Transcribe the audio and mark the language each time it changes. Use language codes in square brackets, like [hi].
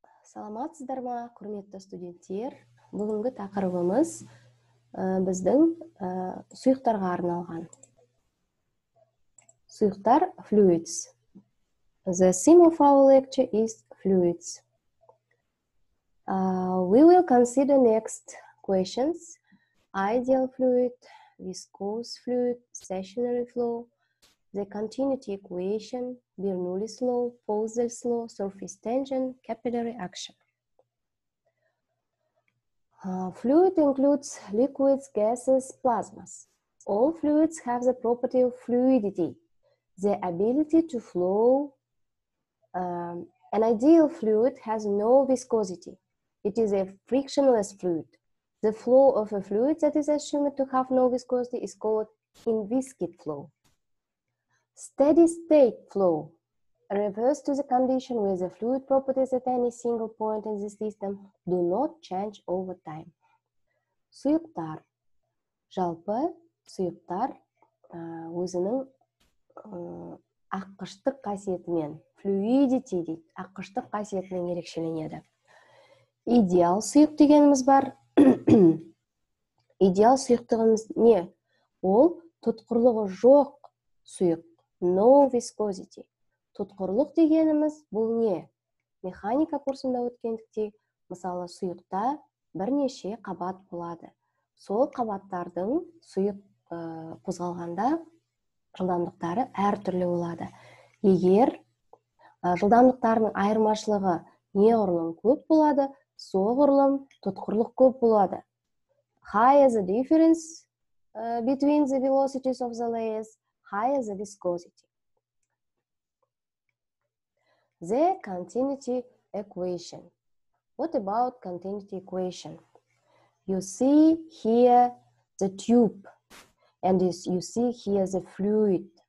[kk] Саламатсыздар ма, құрметті студенттер. Бүгінгі тақырыбымыз біздің сұйықтарға арналған. Сұйықтар – fluids. [en] The theme of our lecture is fluids. We will consider next questions. Ideal fluid, viscous fluid, stationary flow, the continuity equation, Bernoulli's law, Poiseuille's law, surface tension, capillary action. Fluid includes liquids, gases, plasmas. All fluids have the property of fluidity, the ability to flow. An ideal fluid has no viscosity. It is a frictionless fluid. The flow of a fluid that is assumed to have no viscosity is called inviscid flow. Steady state flow refers to the condition where the fluid properties at any single point in the system do not change over time. [kk] Сұйықтар. Жалпы сұйықтар өзінің аққыштық қасиетімен, fluidity дейді, аққыштық қасиетімен ерекшеленеді. Идеал сұйық дегеніміз бар. Идеал сұйықтығымыз не? Ол тұтқырлығы жоқ сұйық. [en] No viscosity. [kk] Тұтқырлық дегеніміз бұл не? Механика курсында өткендікте, мысалы, сұйықта бірнеше қабат болады. Сол қабаттардың сұйық қозғалғанда жылдамдықтары әр түрлі болады. Егер жылдамдықтарының айырмашылығы не ғұрлым көп болады, сол ғұрлым тұтқырлық көп болады. [en] High is the difference between the velocities of the layers. Higher the viscosity. The continuity equation. What about continuity equation? You see here the tube, and you see here the fluid.